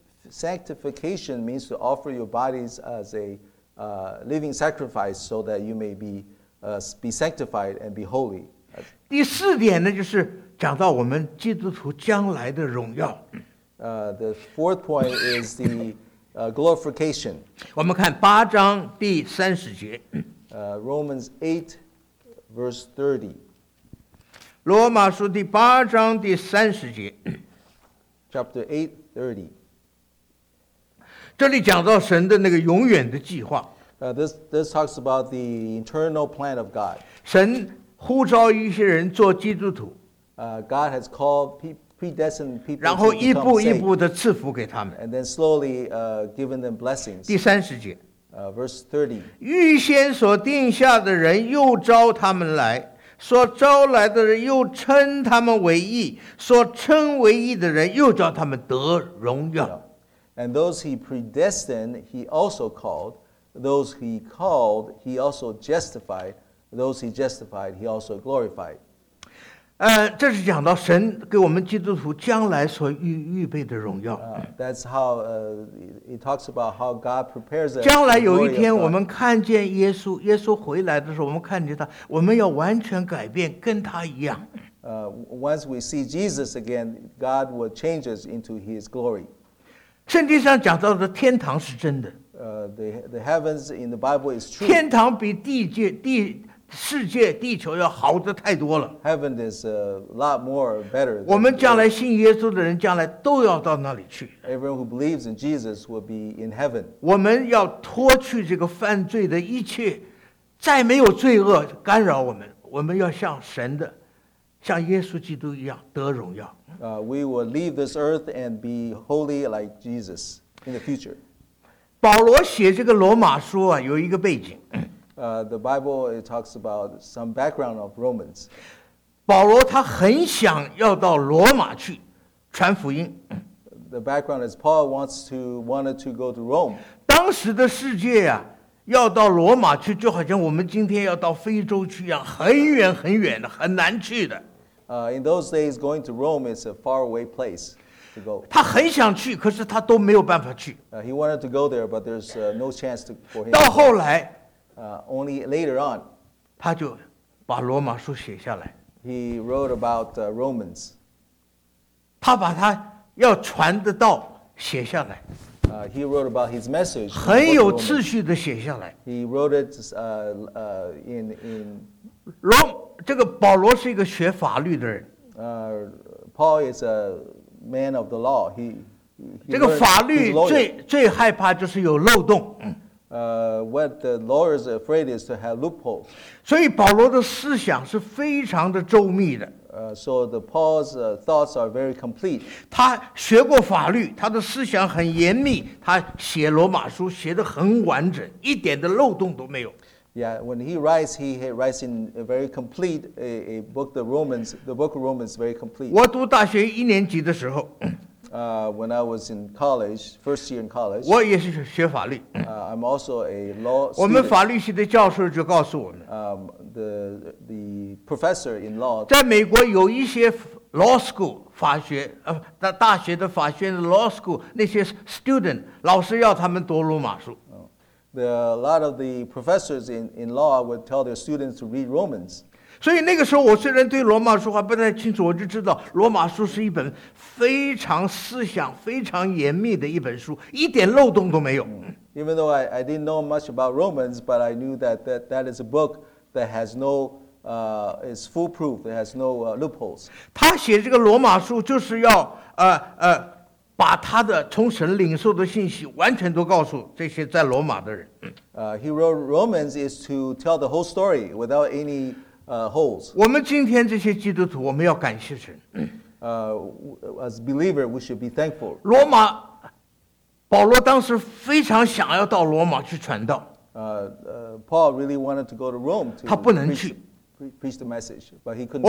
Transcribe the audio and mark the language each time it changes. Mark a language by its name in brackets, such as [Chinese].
[English] Sanctification means to offer your bodies as a living sacrifice so that you may be sanctified and be holy. [Chinese] 第四点呢，就是讲到我们基督徒将来的荣耀。 [English] The fourth point is the glorification. [Chinese] 我们看八章第三十节。 [English] Romans 8, verse 30. [Chinese] 罗马书第八章第三十节。 [English] Chapter 8:30. [Chinese] 这里讲到神的那个永远的计划。 [English] This talks about the eternal plan of God. [Chinese] 神呼召一些人做基督徒。 [English] God has called predestined people. [Chinese] 然后一步一步的赐福给他们。 [English] And then slowly given them blessings. [Chinese] 第三十节。 [English] Verse 30. [Chinese] 预先所定下的人又招他们来。所招来的人又称他们为义，所称为义的人又叫他们得荣耀。 [English] And those he predestined, he also called; those he called, he also justified; those he justified, he also glorified. [Chinese] 这是讲到神给我们基督徒将来所预备的荣耀。 [English] That's how it talks about how God prepares us. [Chinese] 将来有一天我们看见耶稣，耶稣回来的时候，我们看见他，我们要完全改变，跟他一样。 [English] Once we see Jesus again, God will change us into His glory. [Chinese] 圣经上讲到的天堂是真的。 [English] The heavens in the Bible is true. [Chinese] 天堂比世界地球要好得太多了。 [English] Heaven is a lot more better. [Chinese] 我们将来信耶稣的人将来都要到那里去。 [English] Everyone who believes in Jesus will be in heaven. [Chinese] 我们要脱去这个犯罪的一切，再没有罪恶干扰我们。我们要像神的，像耶稣基督一样得荣耀。 [English] We will leave this earth and be holy like Jesus in the future. [Chinese] 保罗写这个罗马书啊，有一个背景。 [English] The Bible it talks about some background of Romans. [Chinese] 保罗他很想要到罗马去传福音。 [English] The background is Paul wanted to go to Rome. [Chinese] 当时的世界啊，要到罗马去，就好像我们今天要到非洲去一样，很远很远的，很难去的。 [English] In those days, going to Rome is a faraway place to go. [Chinese] 他很想去，可是他都没有办法去。 [English] He wanted to go there, but there's no chance to for him. [Chinese] 到后来。 [English] Only later on, [Chinese] 他就把罗马书写下来。 [English] He wrote about Romans. [Chinese] 他把他要传的道写下来。 [English] He wrote about his message. [Chinese] 很有秩序的写下来。 [English] He wrote it in [Chinese] 罗这个保罗是一个学法律的人。 [English] Paul is a man of the law. He [Chinese] 这个法律最害怕就是有漏洞。 [English] What the lawyers are afraid is to have loopholes. [Chinese] 所以保罗的思想是非常的周密的。 [English] So the Paul's thoughts are very complete. [Chinese] 他学过法律，他的思想很严密，他写罗马书写得很完整，一点的漏洞都没有。 [English] Yeah, when he writes in a very complete a book, the book of Romans is very complete. [Chinese] 我读大学一年级的时候。 [English] When I was in college, first year in college, [Chinese] 我也是学法律。 [English] I'm also a law student. [Chinese] 我们法律系的教授就告诉我们。 [English] The professor in law. [Chinese] 在美国有一些 law school 法学，大学的法学的 law school 那些 student 老师要他们读罗马书。 [English] A lot of the professors in law would tell their students to read Romans. [Chinese] 所以那个时候，我虽然对罗马书还不太清楚，我就知道罗马书是一本非常思想非常严密的一本书，一点漏洞都没有。 [English] Even though I didn't know much about Romans, but I knew that is a book that has no is foolproof, it has no loopholes. [Chinese] 他写这个罗马书就是要把他的从神领受的信息完全都告诉这些在罗马的人。 [English] He wrote Romans is to tell the whole story without any holes. [Chinese] 我们今天这些基督徒，我们要感谢神。 [English] As a believer, we should be thankful. [Chinese] 罗马，保罗当时非常想要到罗马去传道。 [English] Paul really wanted to go to Rome to. [Chinese] 他不能去。 [English] Preach the message, but he couldn't.